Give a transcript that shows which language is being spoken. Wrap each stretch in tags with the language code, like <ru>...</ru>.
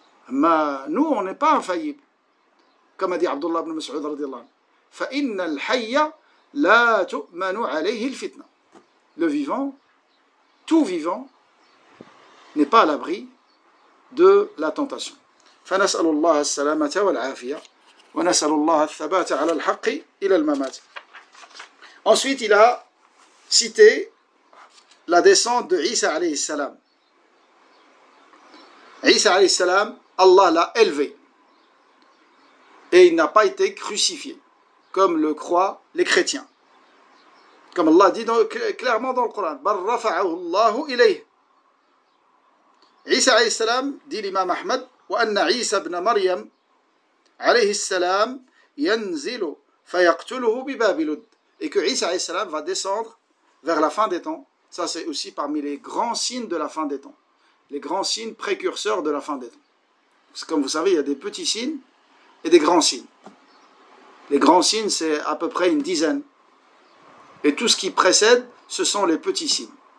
<fr>Mais nous, on n'est pas infaillible. Comme a dit Abdullah ibn Mas'ud, radiallahu anhu,</fr> <ar>فَإِنَّ الْحَيَّ لَا تُؤْمَنُ عَلَيْهِ الْفِتْنَ.</ar> <fr>Le vivant, tout vivant, n'est pas à l'abri de la tentation.</fr> <ar>فنسأل الله السلامة والعافية ونسأل الله الثبات على الحق إلى الممات.</ar> <fr>Ensuite, il a cité la descente de Isa alayhi salam. Isa alayhi salam, Allah l'a élevé et il n'a pas été crucifié comme le croient les chrétiens. Comme Allah dit clairement dans le Coran,</fr> <ar>bar rafa'ahu Allah ilayhi. Isa alayhi salam,</ar> <fr>dit l'imam Ahmed,</fr> <ar>وأن عيسى ابن مريم عليه السلام ينزل فيقتله ببابلود.</ar> <fr>Et que Isa alayhi salam va descendre vers la fin des temps. Ça, c'est aussi parmi les grands signes de la fin des temps. Les grands signes précurseurs de la fin des temps. Parce que comme vous savez, il y a des petits signes et des grands signes. Les grands signes, c'est à peu près une dizaine. Et tout ce qui précède, ce sont les petits signes.</fr>